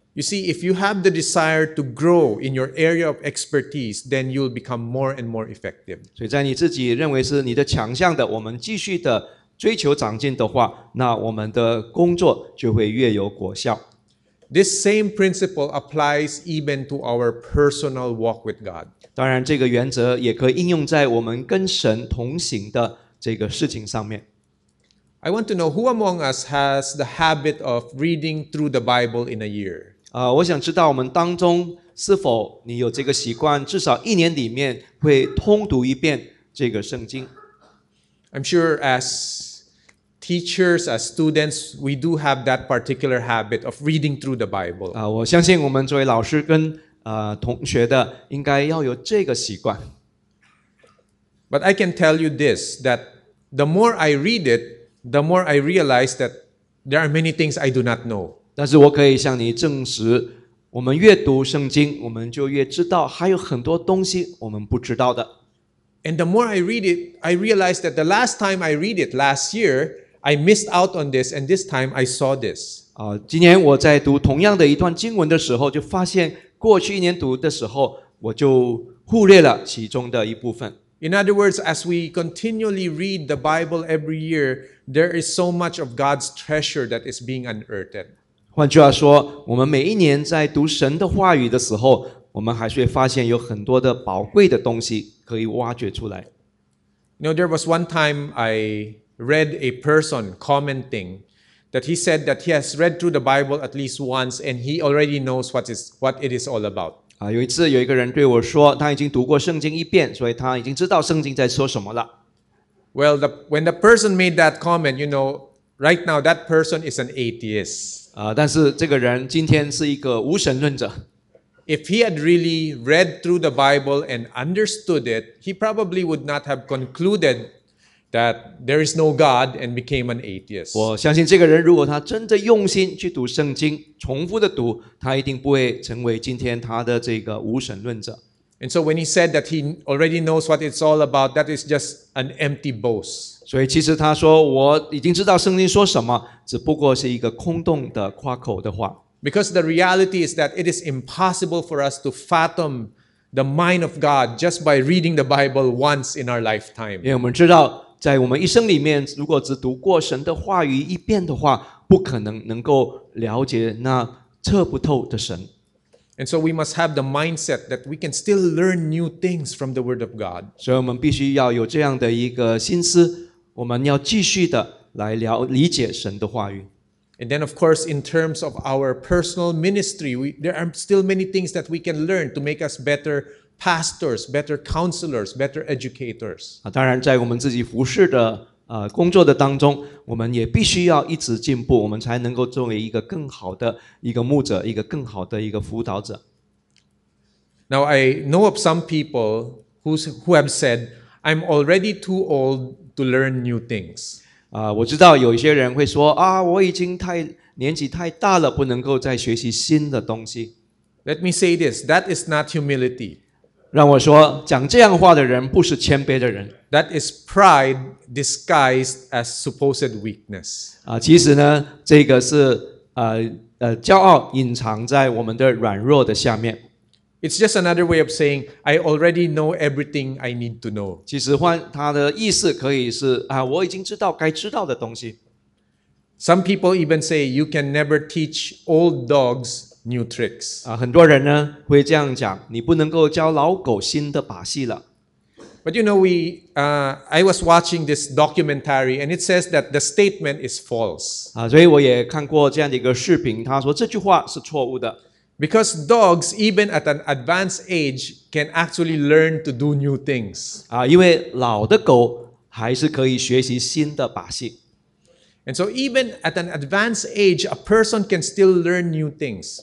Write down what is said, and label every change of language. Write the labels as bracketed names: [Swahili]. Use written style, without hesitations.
[English] You see, if you have the desire to grow in your area of expertise, then you'll become more and more effective. [Chinese] 所以在你自己认为是你的强项的，我们继续的追求长进的话，那我们的工作就会越有果效。 [English] This same principle applies even to our personal walk with God. [Chinese] 当然，这个原则也可以应用在我们跟神同行的这个事情上面。 [English] I want to know who among us has the habit of reading through the Bible in a year. [Chinese] 我想知道我们当中是否你有这个习惯，至少一年里面会通读一遍这个圣经。 [English] I'm sure as teachers, as students, we do have that particular habit of reading through the Bible. [Chinese] 我相信我们作为老师跟同学的应该要有这个习惯。 [English] But I can tell you this, that the more I read it,The more I realize that there are many things I do not know. [Chinese] 但是我可以向你证实，我们越读圣经，我们就越知道还有很多东西我们不知道的。 [English] And the more I read it, I realize that the last time I read it last year, I missed out on this, and this time I saw this. [Chinese] 今年我在读同样的一段经文的时候，就发现过去一年读的时候，我就忽略了其中的一部分。 [English] In other words, as we continually read the Bible every year, there is so much of God's treasure that is being unearthed. [Chinese] 换句话说，我们每一年在读神的话语的时候，我们还是会发现有很多的宝贵的东西可以挖掘出来。 [English] You know, there was one time I read a person commenting that he said that he has read through the Bible at least once and he already knows what it is all about. [Chinese] 有一次有一个人对我说，他已经读过圣经一遍，所以他已经知道圣经在说什么了。 [English] Well, when the person made that comment, you know, right now that person is an atheist. [Chinese] 但是这个人今天是一个无神论者。 [English] If he had really read through the Bible and understood it, he probably would not have concluded that there is no God and became an atheist. [Chinese] 我相信这个人如果他真的用心去读圣经，重复的读，他一定不会成为今天他的这个无神论者。 [English] And so when he said that he already knows what it's all about, that is just an empty boast. [Chinese] 所以其实他说我已经知道圣经说什么，只不过是一个空洞的夸口的话。 [English] Because the reality is that it is impossible for us to fathom the mind of God just by reading the Bible once in our lifetime. [Chinese] 因为我们知道，在我们一生里面，如果只读过神的话语一遍的话，不可能能够了解那测不透的神。 [English] And so we must have the mindset that we can still learn new things from the Word of God. [Chinese] 所以我们必须要有这样的一个心思，我们要继续的来了理解神的话语。 [English] And then, of course, in terms of our personal ministry, there are still many things that we can learn to make us better pastors, better counselors, better educators. [Chinese] 当然，在我们自己服事的工作的当中，我们也必须要一直进步，我们才能够作为一个更好的一个牧者，一个更好的一个辅导者。 [English] Now, I know of some people who have said, "I'm already too old to learn new things." [Chinese] 我知道有些人会说啊，我已经年纪太大了，不能够再学习新的东西。 [English] Let me say this: that is not humility. [Chinese] 让我说，讲这样话的人不是谦卑的人。 [English] That is pride disguised as supposed weakness. [Chinese] 其实呢，这个是骄傲隐藏在我们的软弱的下面。 [English] It's just another way of saying I already know everything I need to know. [Chinese] 其实换它的意思可以是我已经知道该知道的东西。 [English] Some people even say you can never teach old dogs new tricks. [Chinese] 很多人呢会这样讲，你不能够教老狗新的把戏了。 [English] But you know, I was watching this documentary, and it says that the statement is false. [Chinese] 所以我也看过这样的一个视频，他说这句话是错误的。 [English] Because dogs, even at an advanced age, can actually learn to do new things. [Chinese] 因为老的狗还是可以学习新的把戏。 [English] And so even at an advanced age, a person can still learn new things.